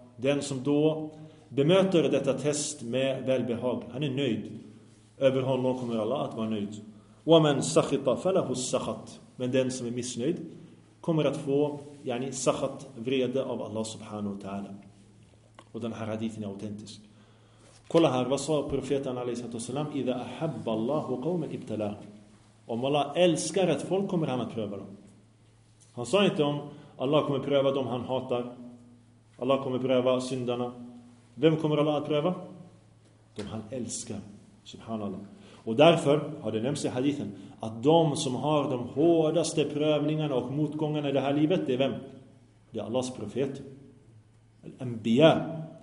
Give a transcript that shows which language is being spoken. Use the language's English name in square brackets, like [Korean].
[Swedish] Den som då bemöter detta test med välbehag, han är nöjd. Över honom kommer Allah att vara nöjd. [Arabic] وَمَنْ سَخِطَ فَلَهُ السَّخَطَ. [Swedish] Men den som är missnöjd kommer att få [Arabic] yani sakhat, [Swedish] vrede av Allah subhanahu wa ta'ala. Och den här hadithen är autentisk. Kolla här, vad sa profeten a.s. [Arabic] إذا أحب الله قوما ابتلاهم. [Swedish] Om Allah älskar ett folk kommer han att pröva dem. Han sa inte om Allah kommer pröva dem han hatar. Allah kommer pröva syndarna. Vem kommer Allah att pröva? De han älskar. Subhanallah. Och därför har det nämnts i hadithen att de som har de hårdaste prövningarna och motgångarna i det här livet, det är vem? Det är Allahs profet. Al-anbiya.